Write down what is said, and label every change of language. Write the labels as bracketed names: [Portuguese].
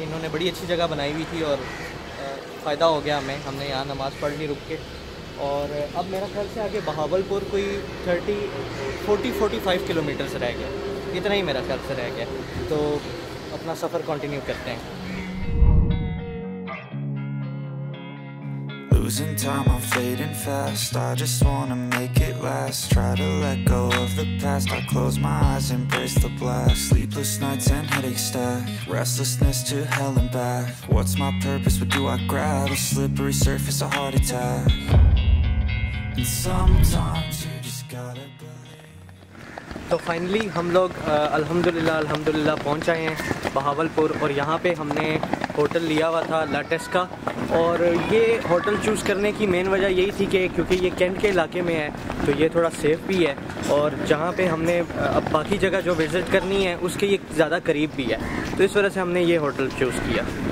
[Hindi] इन्होंने बड़ी अच्छी जगह बनाई हुई थी और फ़ायदा हो गया हमें, हमने यहाँ नमाज़ पढ़ ली रुक के। और अब मेरा ख्याल से आगे बहावलपुर कोई 45 किलोमीटर से रह गया, इतना ही मेरा ख्याल से रह गया। तो अपना सफ़र कंटिन्यू करते हैं। [English] Losing time, I'm fading fast. I just wanna make it last. Try to let go of the past. I close my eyes, embrace the blast. Sleepless nights and headache stack. Restlessness to hell and back. What's my purpose? What do I grab? A slippery surface, a heart attack. And sometimes you just gotta believe. So finally, [Hindi] हम लोग अल्हम्दुलिल्लाह पहुंच आए हैं बहावलपुर, और यहाँ पे हमने होटल लिया हुआ था लाटेस का। और ये होटल चूज़ करने की मेन वजह यही थी कि क्योंकि ये कैंट के इलाके में है तो ये थोड़ा सेफ़ भी है, और जहाँ पे हमने अब बाकी जगह जो विज़िट करनी है उसके ये ज़्यादा करीब भी है, तो इस वजह से हमने ये होटल चूज़ किया।